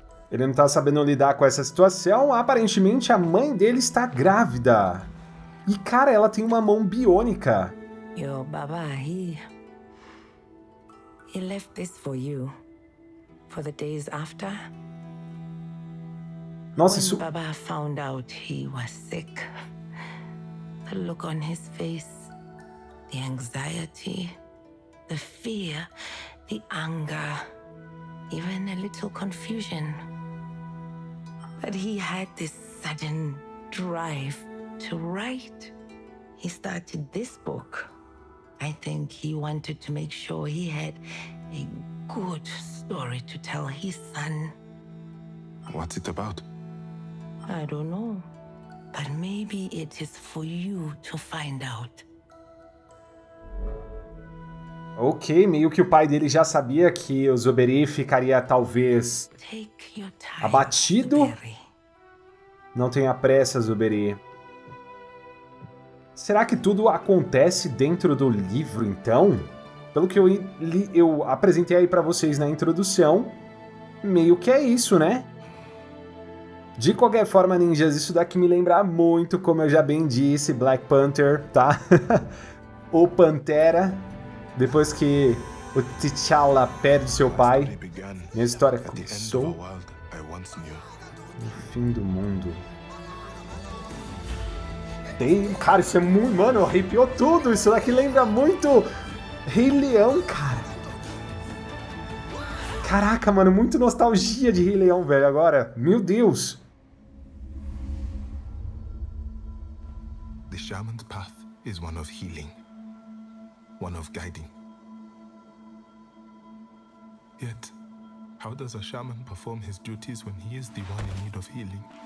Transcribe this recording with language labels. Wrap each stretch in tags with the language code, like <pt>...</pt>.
<pt>Ele não tá sabendo lidar com essa situação. Aparentemente, a mãe dele está grávida. E, cara, ela tem uma mão biônica.</pt> <en>Yo, baba, he left this for you. For the days after.</en> <pt>Nossa, isso...</pt> <en>Baba found out he was sick. The look on his face. The anxiety. The fear. The anger. Even a little confusion. But he had this sudden drive to write. He started this book. I think he wanted to make sure he had a good story to tell his son. What's it about? I don't know. But maybe it is for you to find out.</en> <pt>Ok, meio que o pai dele já sabia que o Zuberi ficaria talvez abatido. Não tenha pressa, Zuberi. Será que tudo acontece dentro do livro, então? Pelo que eu apresentei aí pra vocês na introdução, meio que é isso, né? De qualquer forma, ninjas, isso daqui me lembra muito, como eu já bem disse, Black Panther, tá? O Pantera, depois que o T'Challa perde seu pai, minha história começou no fim do mundo. Cara, isso é muito... Mano, arrepiou tudo. Isso daqui lembra muito Rei Leão, cara. Caraca, mano. Muito nostalgia de Rei Leão, velho, agora. Meu Deus.</pt> <en>The shaman's path is one of healing. One of guiding. Yet, how does a shaman perform his duties when he is the one in need of healing?</en>